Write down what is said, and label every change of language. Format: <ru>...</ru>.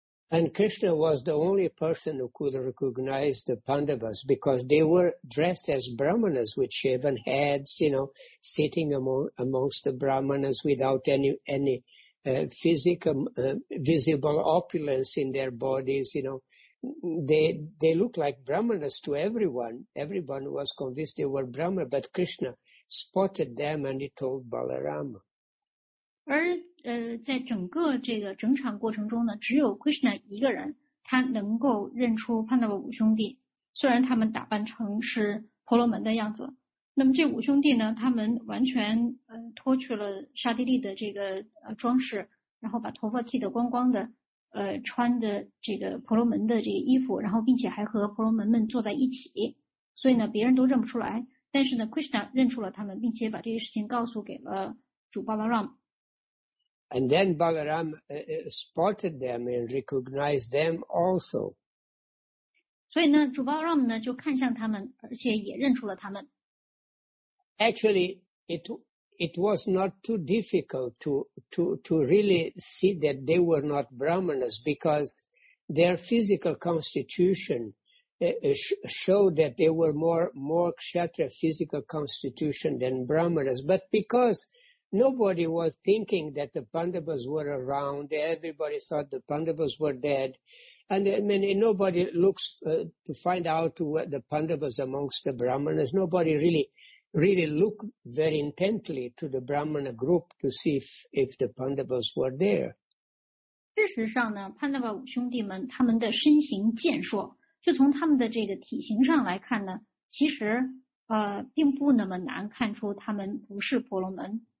<en>And Krishna was the only person who could recognize the Pandavas because they were dressed as Brahmanas with shaven heads, you know, sitting amongst the Brahmanas without any physical opulence in their bodies, you know. They look like Brahmanas to everyone. Everyone was convinced they were Brahmanas, but Krishna spotted them and he told Balarama.</en> <zh>而在整个这个整场过程中呢，只有 Krishna 一个人，他能够认出潘达瓦五兄弟。虽然他们打扮成是婆罗门的样子，那么这五兄弟呢，他们完全脱去了沙地利的这个装饰，然后把头发剃得光光的。穿的这个婆罗门的这个衣服，然后并且还和婆罗门们坐在一起，所以呢别人都认不出来，但是呢 Krishna 认出了他们，并且把这个事情告诉给了主 Balaram。</zh> <en>And then Balaram spotted them and recognized them also.</en> <zh>所以呢主 Balaram 呢就看向他们，而且也认出了他们。</zh> <en>Actually it was not too difficult to really see that they were not Brahmanas because their physical constitution showed that they were more Kshatriya physical constitution than Brahmanas. But because nobody was thinking that the Pandavas were around, everybody thought the Pandavas were dead. And I mean, nobody looks to find out what the Pandavas amongst the Brahmanas. Nobody really look very intently to the Brahmana group to see if the Pandavas were there.</en> <zh>事实上呢 ,Pandava 五兄弟们他们的身形健硕，就从他们的这个体型上来看呢，其实并不那么难看出他们不是婆罗门。</zh>